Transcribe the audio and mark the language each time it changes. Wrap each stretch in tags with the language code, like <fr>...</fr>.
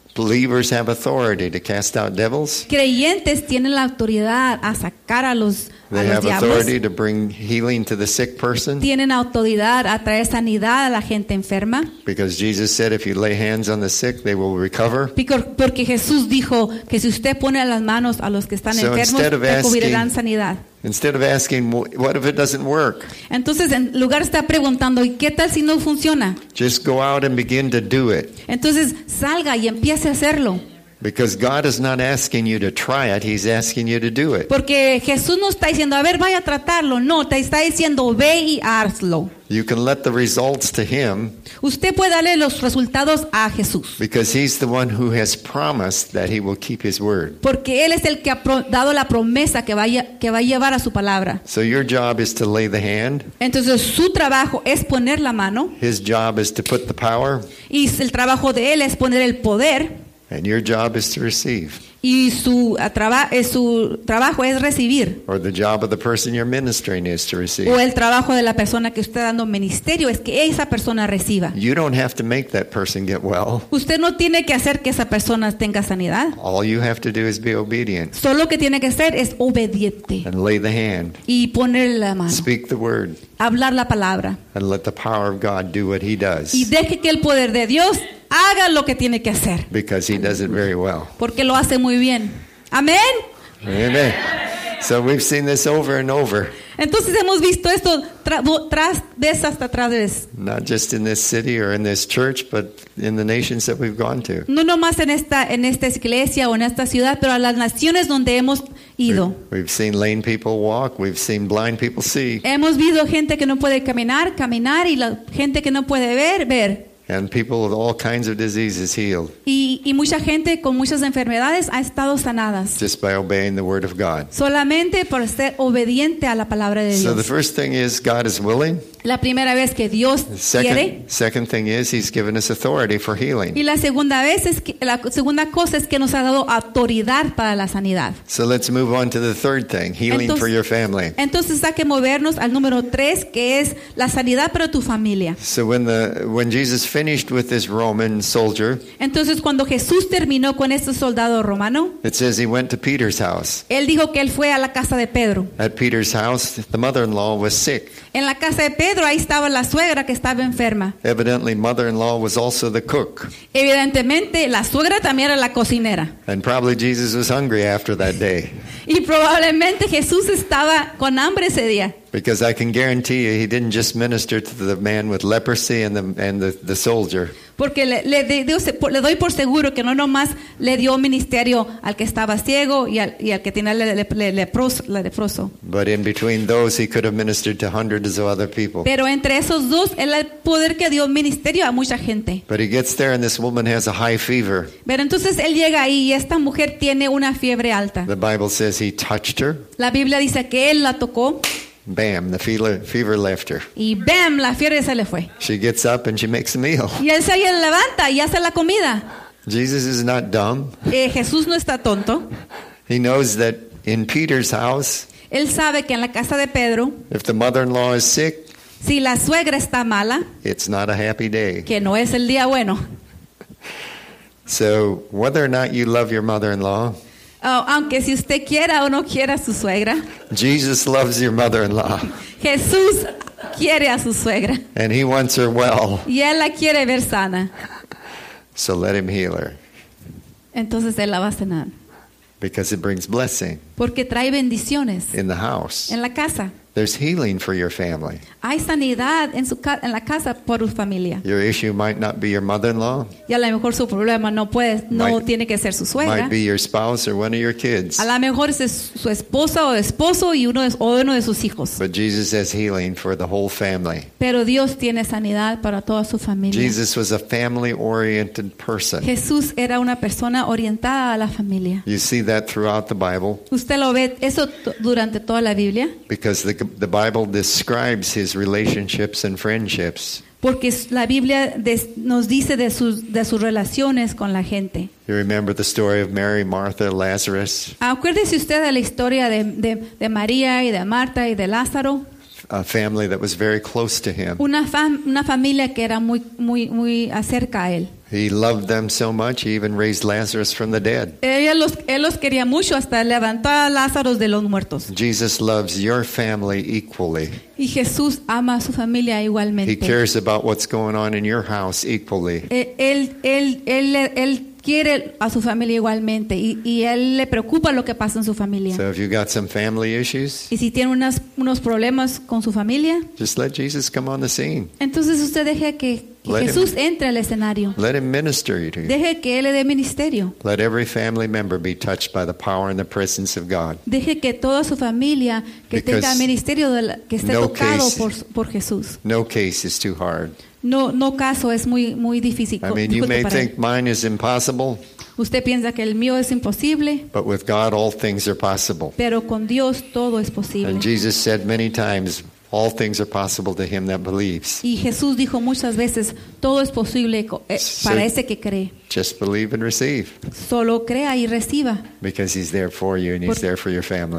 <en>Believers have authority to cast out devils.</en> <es>Creyentes tienen la autoridad a sacar a los diablos.</es> <en>They have authority to bring healing to the sick person.</en> <es>Tienen autoridad a traer sanidad a la gente enferma.</es> <en>Because Jesus said if you lay hands on the sick, they will recover.</en> <es>Porque Jesús dijo que si usted pone las manos a los que están enfermos, recibirán sanidad.</es> <en>Instead of asking, what if it doesn't work?</en> <es>Entonces, en lugar está preguntando, ¿y qué tal si no funciona?</es> <en>Just go out and begin to do it.</en> <es>Entonces, salga y empiece a hacerlo.</es> <en>Because God is not asking you to try it, He's asking you to do it.</en> <es>Porque Jesús no está diciendo, a ver, vaya a tratarlo. No, te está diciendo, ve y hazlo.</es> <en>You can let the results to Him.</en> <es>Usted puede darle los resultados a Jesús.</es> <en>Because He's the one who has promised that He will keep His word.</en> <es>Porque Él es el que ha dado la promesa que va a llevar a su palabra.</es> <en>So your job is to lay the hand.</en> <es>Entonces su trabajo es poner la mano.</es> <en>His job is to put the power.</en> <es>Y el trabajo de Él es poner el poder.</es> <en>And your job is to receive.</en> <es>y su trabajo es recibir.</es> <en>Or the job of the person you're ministering is to receive.</en> <es>O el trabajo de la persona que usted está dando ministerio es que esa persona reciba.</es> <en>You don't have to make that person get well.</en> <es>Usted no tiene que hacer que esa persona tenga sanidad.</es> <en>All you have to do is be obedient.</en> <es>Solo que tiene que ser es obediente.</es> <en>And lay the hand.</en> <es>Y poner la mano.</es> <en>Speak the word.</en> <es>Hablar la palabra.</es> <en>And let the power of God do what he does.</en> <es>Y deje que el poder de Dios haga lo que tiene que hacer.</es> <en>Because he does it very well.</en> <es>Porque lo hace muy bien. Amén.</es> <en>Amen. So we've seen this over and over.</en> <es>Entonces hemos visto esto tras vez hasta tras vez.</es> <en>Not just in this city or in this church, but in the nations that we've gone to.</en> <es>No nomás en esta iglesia o en esta ciudad, pero a las naciones donde hemos ido.</es> <en>We've seen lame people walk. We've seen blind people see.</en> <es>Hemos visto gente que no puede caminar y la gente que no puede ver.</es> <en>And people with all kinds of diseases healed.</en> <es>Y mucha gente con muchas enfermedades ha estado sanadas.</es> <en>Just by obeying the word of God.</en> <es>Solamente por ser obediente a la palabra de Dios.</es> <en>So the first thing is God is willing.</en> <es>La primera vez que Dios quiere.</es> <en>Second thing is he's given us authority for healing.</en> <es>Y la segunda cosa es que nos ha dado autoridad para la sanidad.</es> <en>So let's move on to the third thing, healing for your family.</en> <es>Entonces hay que movernos al número 3, que es la sanidad para tu familia.</es> <en>So when Jesus finished with this Roman soldier.</en> <es>Entonces cuando Jesús terminó con este soldado romano.</es> <en>It says he went to Peter's house.</en> <es>Él dijo que él fue a la casa de Pedro.</es> <en>At Peter's house, the mother-in-law was sick.</en> <es>En la casa de Pedro ahí estaba la suegra que estaba enferma.</es> <en>Evidently, mother-in-law was also the cook.</en> <es>Evidentemente, la suegra también era la cocinera.</es> <en>And probably Jesus was hungry after that day.</en> <es>Y probablemente Jesús estaba con hambre ese día.</es> <en>Because I can guarantee you, he didn't just minister to the man with leprosy and the soldier.</en> <es>Porque le doy por seguro que no nomás le dio ministerio al que estaba ciego y al que tenía leproso.</es> <en>But in between those, he could have ministered to hundreds of other people.</en> <es>Pero entre esos dos, el poder que dio ministerio a mucha gente.</es> <en>But he gets there and this woman has a high fever.</en> <es>Pero entonces él llega ahí y esta mujer tiene una fiebre alta.</es> <en>The Bible says he touched her.</en> <es>La Biblia dice que él la tocó.</es> <en>Bam, the fever left her.</en> <es>Y bam, la fiebre se le fue.</es> <en>She gets up and she makes a meal.</en> <es>Y él se levanta y hace la comida.</es> <en>Jesus is not dumb.</en> <es>Jesús no está tonto.</es> <en>He knows that in Peter's house.</en> <es>Él sabe que en la casa de Pedro.</es> <en>If the mother-in-law is sick.</en> <es>Si la suegra está mala.</es> <en>It's not a happy day.</en> <es>Que no es el día bueno.</es> <en>So whether or not you love your mother-in-law.</en> <es>Oh, aunque si usted quiera o no quiera a su suegra.</es> <en>Jesus loves your mother-in-law.</en> <es>Jesús quiere a su suegra.</es> <en>And he wants her well.</en> <es>Y él la quiere ver sana.</es> <en>So let him heal her.</en> <es>Entonces él la va a sanar.</es> <en>Because it brings blessing.</en> <es>Porque trae bendiciones.</es> <en>In the house.</en> <es>En la casa.</es> <en>There's healing for your family.</en> <es>Hay sanidad en la casa por su familia.</es> <en>Your issue might not be your mother-in-law.</en> <es>Y a lo mejor su problema no tiene que ser su suegra.</es> <en>Might be your spouse or one of your kids.</en> <es>A lo mejor es su esposa o esposo y uno de sus hijos.</es> <en>But Jesus has healing for the whole family.</en> <es>Pero Dios tiene sanidad para toda su familia.</es> <en>Jesus was a family-oriented person.</en> <es>Jesús era una persona orientada a la familia.</es> <en>You see that throughout the Bible.</en> <es>Usted lo ve eso durante toda la Biblia.</es> <en>Because the Bible describes his relationships and friendships.</en> <es>Porque la Biblia nos dice de sus relaciones con la gente.</es> <en>You remember the story of Mary, Martha, Lazarus?</en> <es>Acuérdese usted de la historia de María y de Marta y de Lázaro.</es> <en>A family that was very close to him.</en> <es>Una familia que era muy muy muy cerca a él.</es> <en>He loved them so much, he even raised Lazarus from the dead.</en> <es>Él los quería mucho hasta levantó a Lázaro de los muertos.</es> <en>Jesus loves your family equally.</en> <es>Y Jesús ama a su familia igualmente.</es> <en>He cares about what's going on in your house equally.</en> <es>Él quiere a su familia igualmente y él le preocupa lo que pasa en su familia.</es> <en>So if you got some family issues,</en> <es>y si tiene unos problemas con su familia,</es> <en>just let Jesus come on the scene.</en> <es>Entonces usted deje que Jesús entre al escenario.</es> <en>Let him minister to you.</en> <es>Deje que él le dé ministerio.</es> <en>Let every family member be touched by the power and the presence of God.</en> <es>Deje que toda su familia que</es> <en>Because</en> <es>tenga ministerio de la, que esté</es> <en>no</en> <es>tocado</es> <en>case,</en> <es>por Jesús.</es> <en>No case is too hard.</en> <es>No caso es muy muy difícil.</es> <en>I mean, you may think mine is impossible.</en> <es>Usted piensa que el mío es imposible.</es> <en>But with God, all things are possible.</en> <es>Pero con Dios todo es posible.</es> <en>And Jesus said many times, All things are possible to him that believes.</en> <es>Y Jesús dijo muchas veces, todo es posible para ese que cree.</es> <en>Just believe and receive.</en> <es>Solo crea y reciba.</es> <en>Because he's there for you and he's there for your family.</en>